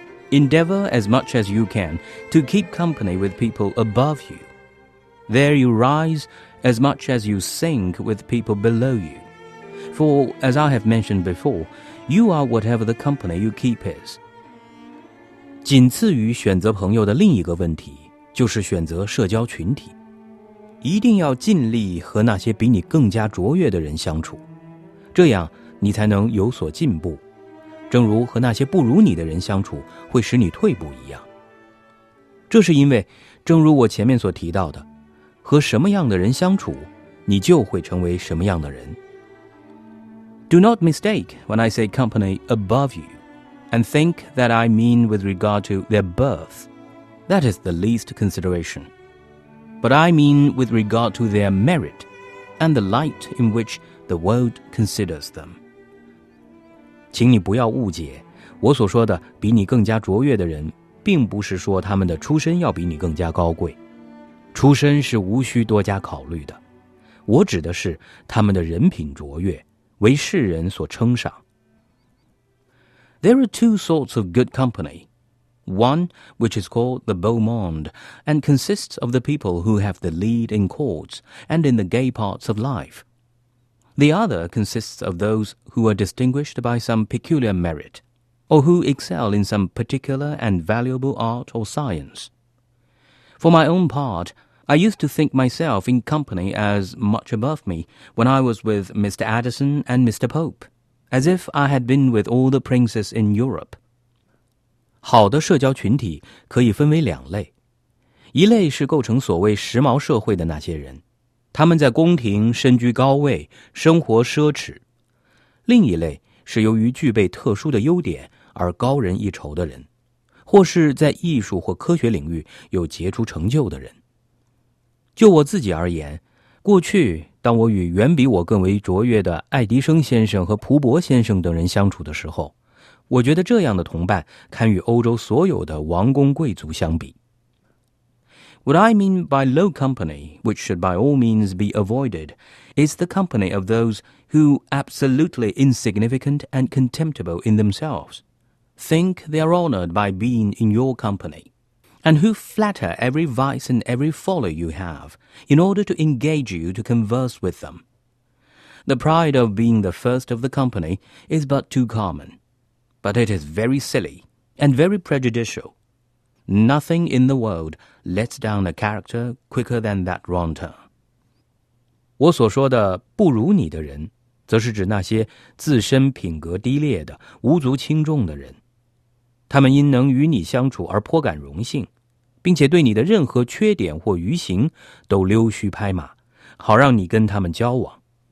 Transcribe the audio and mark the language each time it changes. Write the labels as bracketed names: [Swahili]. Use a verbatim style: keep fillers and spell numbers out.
[English] Endeavor as much as you can to keep company with people above you. There you rise as much as you sink with people below you. For, as I have mentioned before, you are whatever the company you keep is. [Chinese] 仅次于选择朋友的另一个问题，就是选择社交群体。一定要尽力和那些比你更加卓越的人相处，这样你才能有所进步，正如和那些不如你的人相处会使你退步一样。这是因为，正如我前面所提到的，和什么样的人相处，你就会成为什么样的人。 [English] Do not mistake when I say company above you, and think that I mean with regard to their birth. That is the least consideration. But I mean with regard to their merit, and the light in which the world considers them. [Chinese] 请你不要误解，我所说的比你更加卓越的人，并不是说他们的出身要比你更加高贵。出身是无需多加考虑的，我指的是他们的人品卓越，为世人所称赏。 [English] There are two sorts of good company. One which is called the beau monde, and consists of the people who have the lead in courts and in the gay parts of life. The other consists of those who are distinguished by some peculiar merit, or who excel in some particular and valuable art or science. For my own part,I used to think myself in company as much above me when I was with Mister Addison and Mister Pope, as if I had been with all the princes in Europe. [Chinese] 好的社交群体可以分为两类，一类是构成所谓时髦社会的那些人，他们在宫廷身居高位，生活奢侈；另一类是由于具备特殊的优点而高人一筹的人，或是在艺术或科学领域有杰出成就的人。就我自己而言，过去当我与远比我更为卓越的爱迪生先生和蒲伯先生等人相处的时候，我觉得这样的同伴堪与欧洲所有的王公贵族相比。 [English] What I mean by low company, which should by all means be avoided, is the company of those who, absolutely insignificant and contemptible in themselves, think they are honored by being in your company. And who flatter every vice and every folly you have, in order to engage you to converse with them. The pride of being the first of the company is but too common, but it is very silly and very prejudicial. Nothing in the world lets down a character quicker than that raunter. [Chinese] 我所说的不如你的人，则是指那些自身品格低劣的、无足轻重的人。他们因能与你相处而颇感荣幸，并且对你的任何缺点或愚行都溜须拍马，好让你跟他们交往。